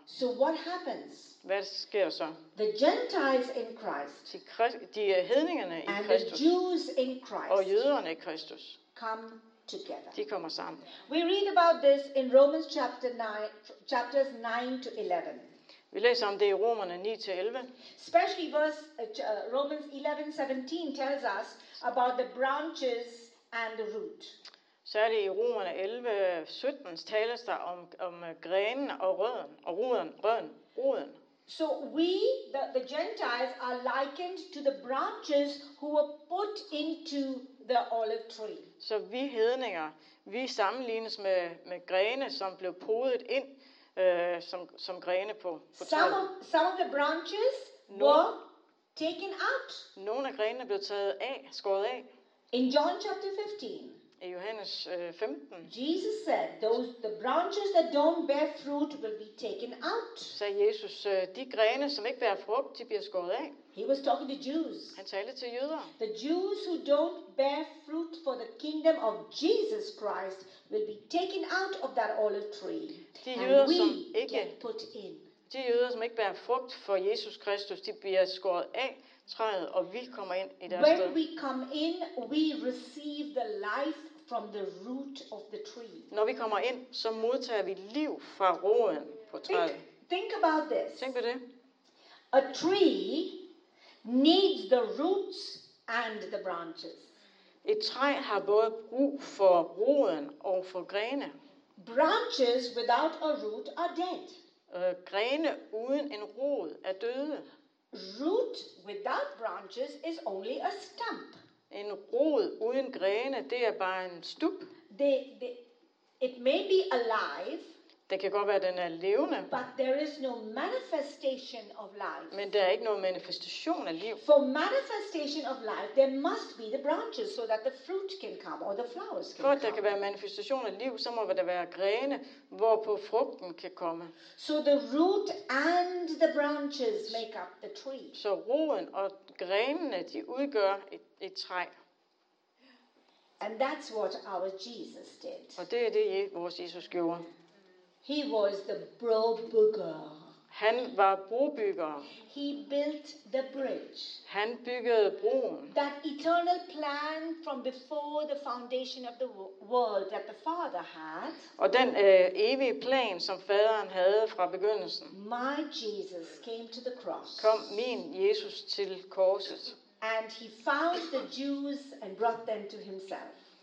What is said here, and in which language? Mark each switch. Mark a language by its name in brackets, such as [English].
[English] So what happens? [Danish] Hvad sker så? [English] The Gentiles in Christ, [Danish] de er hedningerne i Kristus, [English] and the Jews in Christ, [Danish] og jøderne i Kristus, [English] come together. [Danish] De kommer sammen. [English] We read about this in Romans chapters 9 to 11. [Danish] Vi læser om det i Romerne 9-11. [English] Especially Romans 11:17 tells us about the branches and the root. [Danish] Særligt i Romerne 11:17 tales der om grenen og rødden og roden. [English] So we the Gentiles are likened to the branches who were put into the olive tree. [Danish] Så vi hedninger, vi sammenlignes med grene, som blev podet ind. Som grene på træet. [English] Some of the branches were taken out. [Danish] Nogle af grenene blev taget af, skåret af. [English] In John chapter 15. [Danish] I Johannes 15. [English] Jesus said, the branches that don't bear fruit will be taken out. [Danish] Sagde Jesus, de grene, som ikke bærer frugt, de bliver skåret af. [English] He was talking to Jews. [Danish] Han talte til jøder. [English] The Jews who don't bear fruit for the kingdom of Jesus Christ will be taken out of that olive tree. [Danish] De jøder, [English] and we [Danish] som ikke, [English] get put in. [Danish] De jøder, som ikke bærer frugt for Jesus Kristus, de bliver skåret af, træet, og vi kommer ind i deres [English] when [Danish] sted. [English] When we come in, we receive the life from the root of the tree. [Danish] Når vi kommer ind, så modtager vi liv fra roden på træet. [English] Think about this. [Danish] Tænk på det. [English] A tree needs the roots and the branches. [Danish] Et træ har både brug for roden og for grene. [English] Branches without a root are dead. [Danish] Grene uden en rod er døde. [English] Root without branches is only a stump. [Danish] En rod uden grene, det er bare en stump. [English] It may be alive. [Danish] Det kan godt være, at den er levende. [English] But there is no manifestation of life. [Danish] Men der er ikke nogen manifestation af liv. [English] For manifestation of life, there must be the branches so that the fruit can come or the flowers can come. [Danish] For at der kan være manifestation af liv, så må der være grene, hvorpå frugten kan komme. [English] So the root and the branches make up the tree. [Danish] Så roden og grenene, de udgør et træ. [English] And that's what our Jesus did. [Danish] Og det er det, vores Jesus gjorde. [English] He was the brobygger. [Danish] Han var brobygger. [English] He built the bridge. [Danish] Han byggede broen. [English] That eternal plan from before the foundation of the world that the Father had. [Danish] Og den evige plan, som faderen havde fra begyndelsen. [English] My Jesus came to the cross. [Danish] Kom min Jesus til korset. [English] And he found the Jews and brought them to himself.